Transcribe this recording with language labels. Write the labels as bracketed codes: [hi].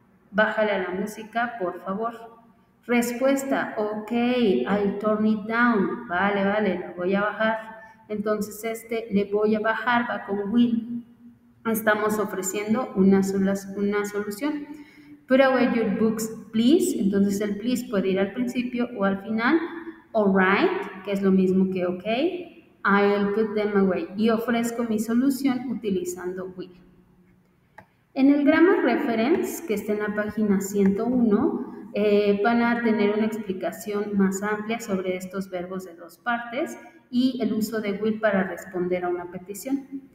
[es] Bájale a la música, por favor. Respuesta, ok, [en] I'll turn it down. [es] Vale, vale, lo voy a bajar. Entonces este le voy a bajar, va con will. Estamos ofreciendo una solución. [en] Put away your books, please. [es] Entonces el please puede ir al principio o al final. [en] All right, [es] que es lo mismo que ok. [en] I'll put them away. [es] Y ofrezco mi solución utilizando will. En el Grammar Reference, que está en la página 101, van a tener una explicación más amplia sobre estos verbos de dos partes y el uso de will para responder a una petición.